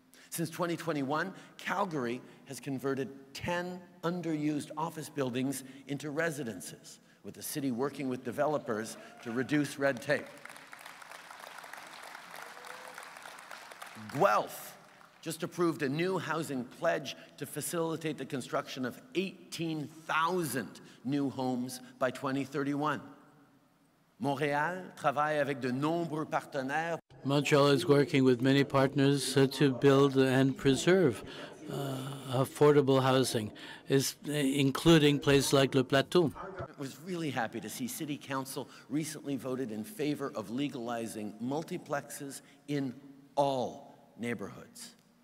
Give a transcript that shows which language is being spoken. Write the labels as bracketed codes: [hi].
[en] Since 2021, Calgary has converted 10 underused office buildings into residences, with the city working with developers to reduce red tape. Guelph just approved a new housing pledge to facilitate the construction of 18,000 new homes by 2031. [fr] Montréal travaille avec de nombreux partenaires. [en] Montreal is working with many partners to build and preserve affordable housing, including places like Le Plateau. I was really happy to see City Council recently voted in favor of legalizing multiplexes in all neighborhoods.